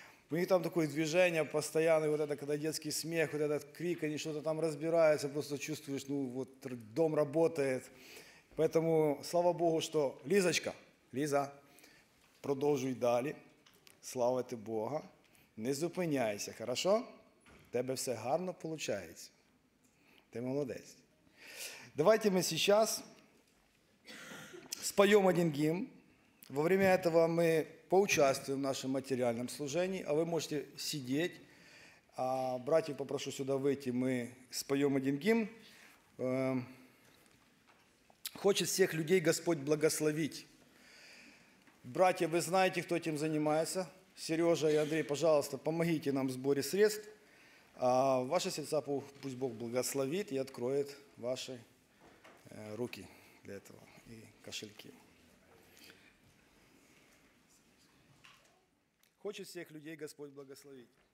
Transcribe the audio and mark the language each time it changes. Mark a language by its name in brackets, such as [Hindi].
[Russian] У них там такое движение постоянное, вот это, когда детский смех, вот этот крик, они что-то там разбираются, просто чувствуешь, ну, вот дом работает. Поэтому, слава Богу, что Лизочка, Лиза, [Ukrainian] продолжуй далі. [Russian] Слава ты Бога. [Ukrainian] Не зупиняйся, хорошо? Тебе все гарно получається. Ти молодець. Давайте ми зараз споємо один гімн. [Russian] Во время этого [Ukrainian] ми поучаствуємо в нашому матеріальному служенні, а ви можете сидіти. А братів попрошу сюди вийти, ми споємо один гімн. Хоче всіх людей Господь благословити. Братья, ви знаєте, хто цим займається. Сережа і Андрій, пожалуйста, допоможіть нам в зборі средств. [Russian] А ваше серце пусть Бог благословит и откроет ваши руки для этого и кошельки. Хочет всех людей Господь благословить.